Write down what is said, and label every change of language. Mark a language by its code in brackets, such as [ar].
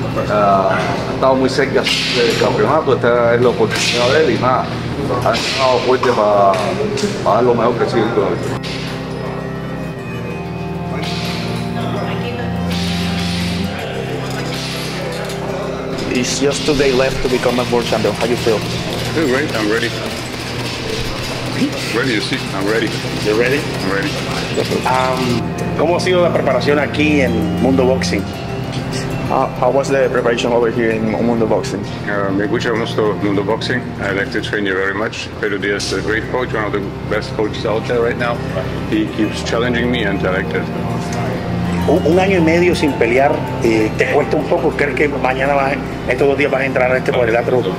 [es] Ha estado muy cerca del campeonato, esta es la oportunidad de él y nada, ha estado fuerte para dar lo mejor que sigue toda la vida. [en] It's just 2 days left to become a world champion. How do you feel? Feel great, I'm ready. Ready, you see? I'm ready. You ready? I'm ready. [es] ¿Cómo ha sido la preparación aquí en mundoboxing? [en] How was the preparation over here in mundoboxing? [es] Me gusta mucho mundoboxing. [en] I like to train you very much. Pedrodiaz is a great coach, one of the best coaches out there right now. He keeps challenging me and I like that. [es] Un año y medio sin pelear, ¿te cuesta un poco? ¿Crees que mañana vas, estos 2 días vas a entrar a este cuadrilátero?